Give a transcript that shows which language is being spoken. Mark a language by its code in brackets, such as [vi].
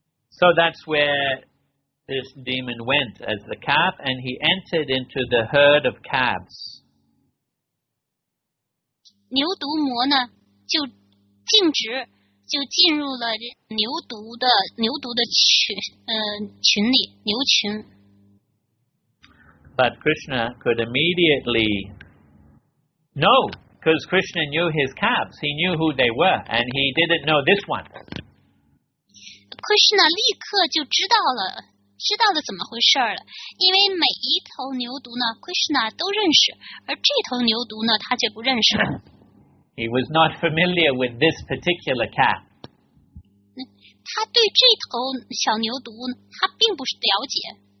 [en] So that's where this demon went as the calf, and he entered into the herd of calves. [zh] 牛犊魔呢，就径直就进入了牛犊的群里，牛群。 [en] But Krishna could immediately know, because Krishna knew his calves. He knew who they were, and he didn't know this one. [zh] Krishna 立刻就知道了怎么回事了，因为每一头牛犊呢 ，Krishna 都认识，而这头牛犊呢，他却不认识。 [en] He was not familiar with this particular calf. [zh] 他对这头小牛犊他并不了解。